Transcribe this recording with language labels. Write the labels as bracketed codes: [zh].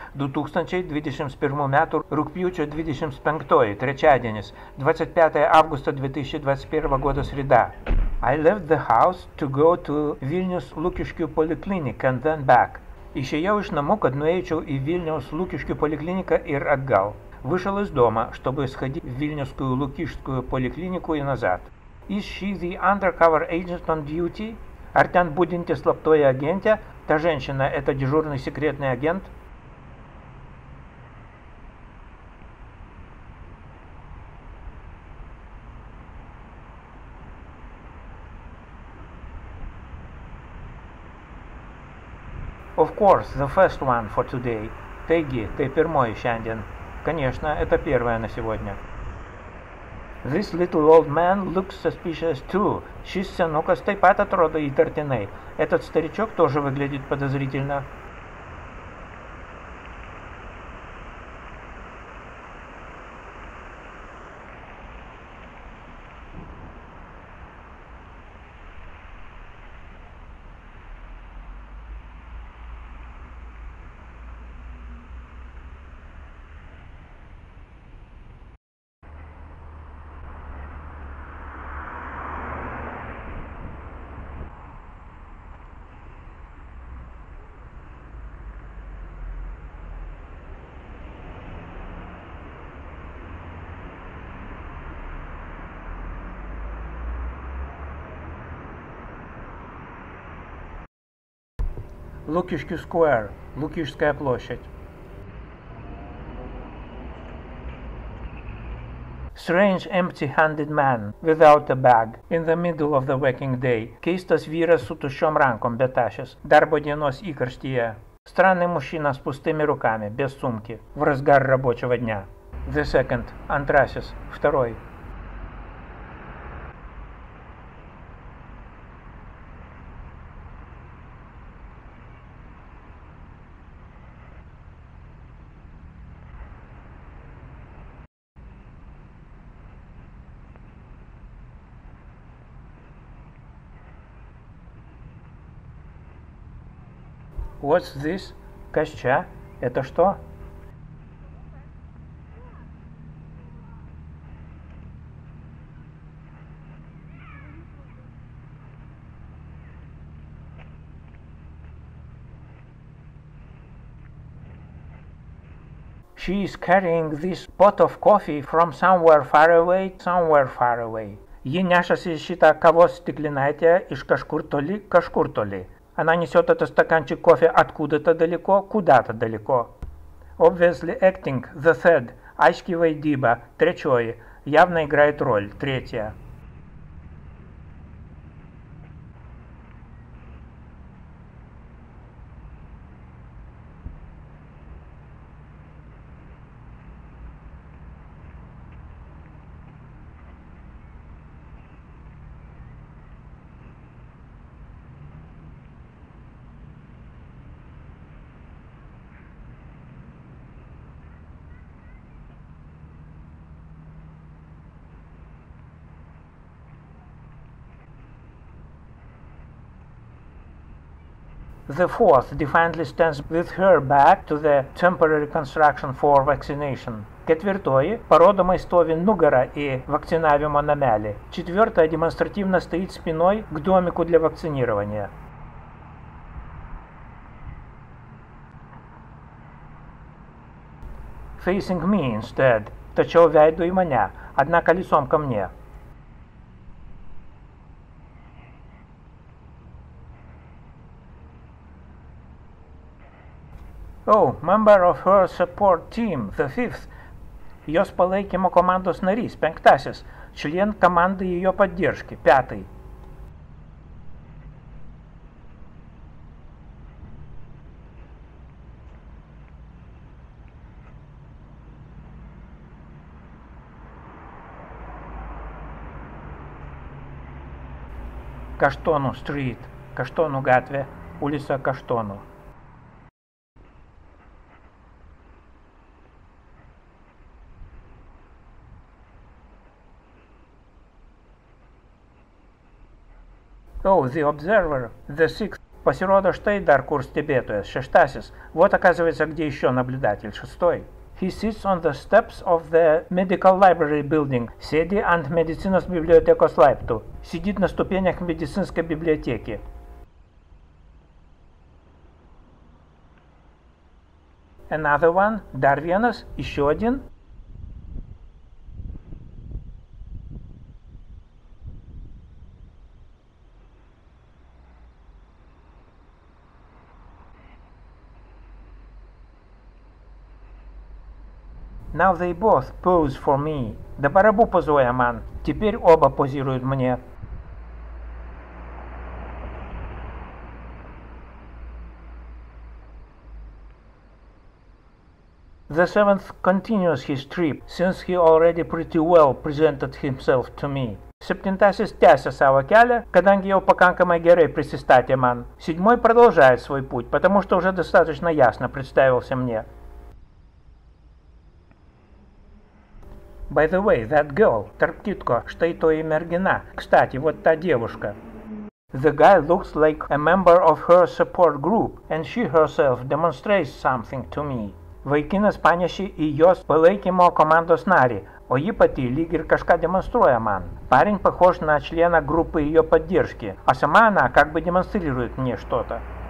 [lt] 2021 metų rugpjūčio 25, trečiadienis. [ru] 25 августа 2021 года, среда. [en] I left the house to go to Vilnius Lukiškių poliklinik and then back. [lt] Išėjau iš namų, kad nuėčiau į Vilnius Lukiškių polikliniką ir atgal. [ru] Вышел из дома, чтобы сходить в Вильнюсскую Лукишскую поликлинику и назад. [en] Is she the undercover agent on duty? [lt] Ar ten budinti slaptoji agentė? [ru] Ta женщина – это дежурный секретный агент? [en] Of course, the first one for today. [lt] Taigi, tai pirmoji šiandien. [ru] Конечно, это первое на сегодня. [en] This little old man looks suspicious too. [lt] Šis senukas taip pat atrodo įtartinai. [ru] Этот старичок тоже выглядит подозрительно. Лукишки Сквер, Лукишская площадь. [en] Strange empty-handed man, without a bag, in the middle of the working day. [lt] Keistas vyras su tuščiom rankom, betašęs, darbo dienos įkarštyje. [ru] Странный мужчина с пустыми руками, без сумки, в разгар рабочего дня. [en] The second, [lt] антрасис, [ru] второй. [en] What's this? [lt] Kasčia? [ru] Это что? [en] She is carrying this pot of coffee from somewhere far away, somewhere far away. [lt] Ji nešasi šitą kavos stiklinaitę iš kažkur toli, kažkur toli. [ru] Она несет этот стаканчик кофе откуда-то далеко, куда-то далеко. [en] Obviously acting, the third. [lt] Aiškiai vaidyba, trečioji. [ru] Явно играет роль, третья. [en] The fourth defiantly stands with her back to the temporary construction for vaccination. [lt] Ketvirtoji parodomai stovi nugara į vakcinavimo namelį. Četvirtoji [ru] demonstratyvna stoit spinoj k domiku для вакцинирования. [en] Facing me instead. [lt] Tačiau veidu į mane, [ru] однако лицом ко мне. [en] Oh, member of her support team, the fifth. [lt] Jos palaikymo komandos narys, penktasis. [ru] Член команды ее поддержки, пятый. Каштону стрит, Каштону гатве, улица Каштону. [en] Oh, the observer, the sixth. [lt] Pasirodo štai dar kur stebėtojas, šeštasis. [ru] Вот оказывается, где еще наблюдатель, шестой. [en] He sits on the steps of the medical library building. [lt] Sėdi ant medicinos bibliotekos laiptų. [ru] Сидит на ступенях медицинской библиотеки. [en] Another one. [lt] Dar vienas. [ru] Еще один. [en] Now they both pose for me. [lt] Dabar abu pozuoja man. [ru] Теперь оба позируют мне. [en] The seventh continues his trip, since he already pretty well presented himself to me. [lt] Septintasis tęsia savo kelią, kadangi jau pakankamai gerai prisistatė man. [ru] Седьмой продолжает свой путь, потому что уже достаточно ясно представился мне. [en] By the way, that girl, [lt] тарп китко, штай то и мергина, [ru] кстати, вот та девушка. [en] The guy looks like a member of her support group, and she herself demonstrates something to me. [lt] Vaikinas panėši į jos palaikymo komandos narį, o ji pati lyg ir kažką demonstruoja man. [ru] Парень похож на члена группы ее поддержки, а сама она как бы демонстрирует мне что-то.